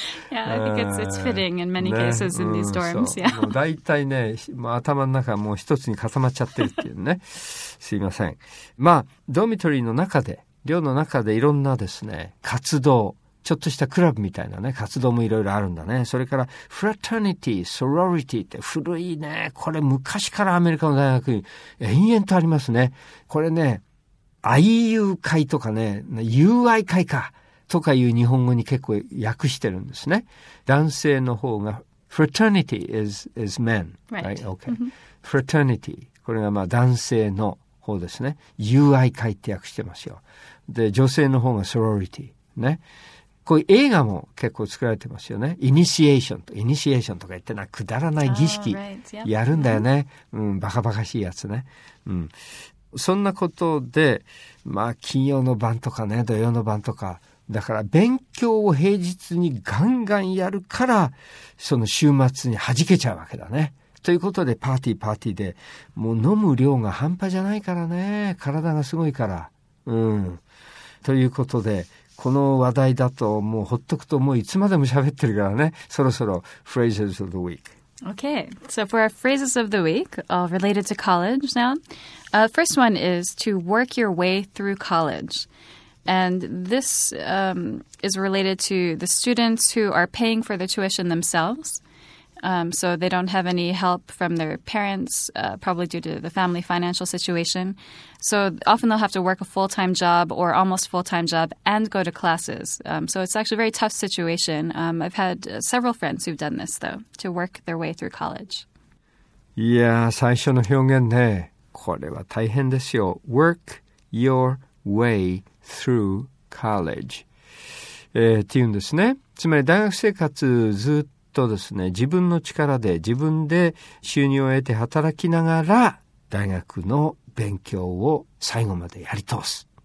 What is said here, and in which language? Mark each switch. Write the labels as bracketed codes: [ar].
[en] Yeah, I think it's fitting in many cases in these dorms. Yeah. [ja] もう大体ね、もう頭の中もう一つに固まっちゃってるっていうね。すいません。まあ、ドミトリーの中で、寮の中でいろんなですね、活動、ちょっとしたクラブみたいなね、活動もいろいろあるんだね。それから、フラタニティ、ソロリティって古いね、これ昔からアメリカの大学に延々とありますね。これね、愛友会とかね、友愛会か。とかいう日本語に結構訳してるんですね。男性の方が [en] fraternity is men. Right. Okay. Fraternity. [ja] これがまあ男性の方ですね。友愛会って訳してますよ。で、女性の方が sorority. ね。こういう映画も結構作られてますよね。イニシエーションとか言ってな、くだらない儀式やるんだよね。うん、バカバカしいやつね。うん。そんなことで、まあ金曜の晩とかね、土曜の晩とか、だから勉強を平日にガンガンやるから、その週末に弾けちゃうわけだね。ということでパーティーで、もう飲む量が半端じゃないからね。体がすごいから。うん。ということで、この話題だともうほっとくともういつまでも喋ってるからね。そろそろ Phrases of the Week。 [en] Okay, so for our phrases of the week, all related to college now. First one is to work your way through college. And this, is related to the students who are paying for the tuition themselves. So they don't have any help from their parents, probably due to the family financial situation. So often they'll have to work a full-time job or almost full-time job and go to classes. So it's actually a very tough situation. I've had several friends who've done this, though, to work their way through college. [ja] Yeah, 最初の表現ね。これは大変ですよ。 [en] Work your way through. Through college、 [ja] っていうんですね。つまり大学生活ずっとですね、自分の力で自分で収入を得て働きながら大学の勉強を最後までやり通す。